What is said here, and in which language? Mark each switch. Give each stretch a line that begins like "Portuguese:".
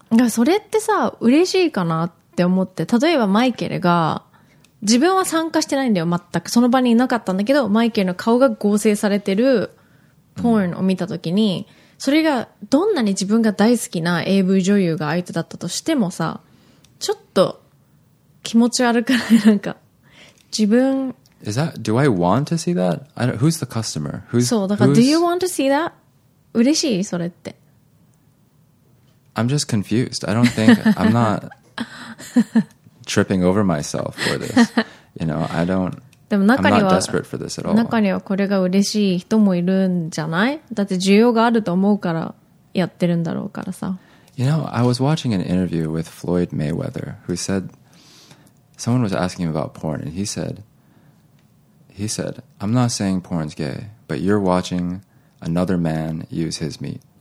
Japanese: だからそれってさ嬉しいかなって思って例えばマイケルが自分は参加してないんだよ全くその場にいなかったんだけどマイケルの顔が合成されてるポーンを見たときに、うん、それがどんなに自分が大好きな AV 女優が相手だったとしてもさちょっと気持ち悪くないなんか自分
English: Is that, Do I want to see that? I don't, who's the customer? Who's,
Japanese: そうだから
English: Do you want to see that?
Japanese: 嬉しいそれって
English: I'm just confused I don't think I'm not tripping over myself for this You know, I don't
Japanese: でも中には
English: I'm not desperate for this at all.
Japanese: 中にはこれが嬉しい人もいるんじゃない？だって需要があると思うからやってるんだろうからさ。
English: You know, I was watching an interview with Floyd Mayweather, who said someone was asking him about porn, and he said, "I'm not saying porn's gay, but you're watching another man use his meat."